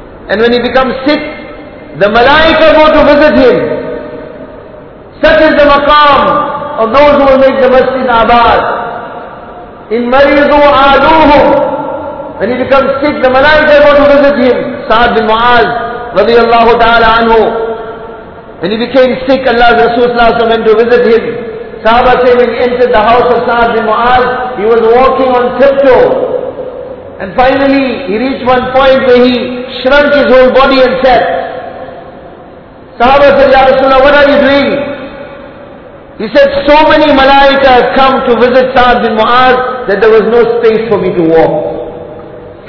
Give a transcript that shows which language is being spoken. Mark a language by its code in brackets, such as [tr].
[en] And when he becomes sick, the malaika go to visit him. Such is the maqam of those who will make the masjid abad. [ar] إِنْ مَرِضُوا عَادُوهُ. [en] When he becomes sick, the malaika go to visit him. Sa'd bin Mu'az, رضي الله تعالى عنه. When he became sick, Allah's Rasul went to visit him. Sahaba said, when he entered the house of Sa'd bin Mu'az, he was walking on tiptoe. And finally, he reached one point where he shrunk his whole body and sat. Sahaba said, Ya Rasulullah, what are you doing? He said, so many malaika have come to visit Sa'd bin Mu'az that there was no space for me to walk.